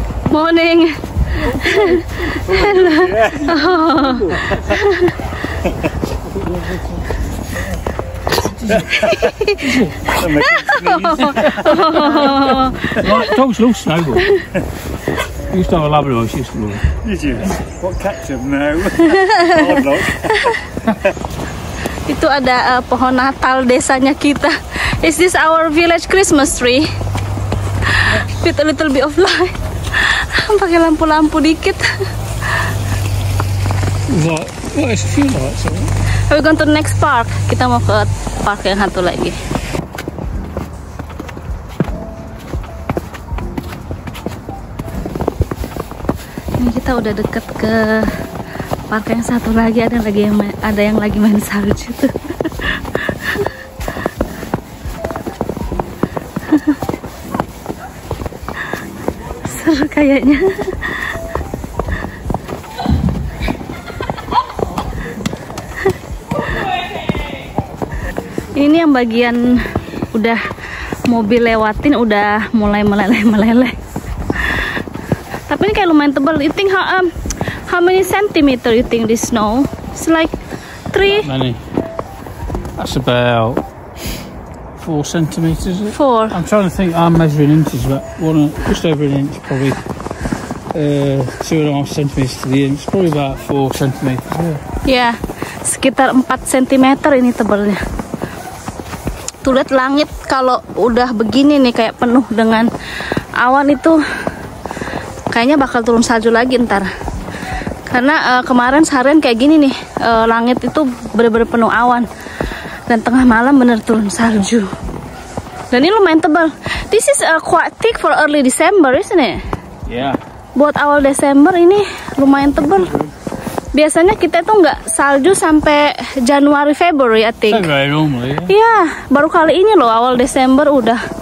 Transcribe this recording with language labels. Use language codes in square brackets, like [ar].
[en] Morning. Hello. Oh. No. Oh. Dogs love snowball. We used to have a Labrador, she used to love. Did you? What, catch them now? [id] Itu ada pohon Natal desanya kita. [en] Is this our village Christmas tree? With a little bit of light. [id] Pakai lampu-lampu dikit. [en] What is a few lights? Are we going to the next park? [id] Kita mau ke park yang satu lagi. Ini kita udah deket ke park yang satu lagi. Ada lagi yang ada yang lagi main salju tuh. Seru kayaknya. Ini yang bagian udah mobil lewatin udah mulai meleleh-meleleh. Tapi ini kayak lumayan tebal. [en] You think how many centimeter you think this snow? It's like 3. Not many. That's about 4 centimeters. 4. I'm trying to think, I'm measuring inches, but one just over an inch probably. 2.5 centimeters to the inch, probably about 4 centimeters. Yeah. [id] Sekitar 4 centimeter ini tebalnya. Tuh lihat langit kalau udah begini nih kayak penuh dengan awan itu kayaknya bakal turun salju lagi ntar. Karena kemarin seharian kayak gini nih, langit itu bener-bener penuh awan. Dan tengah malam bener turun salju. Dan ini lumayan tebal. [en] This is quite thick for early December, isn't it? Yeah. [id] Buat awal Desember ini lumayan tebal. Biasanya kita tuh nggak salju sampai Januari February, [en] I think. Very normally. [id] Iya, yeah, baru kali ini loh awal Desember udah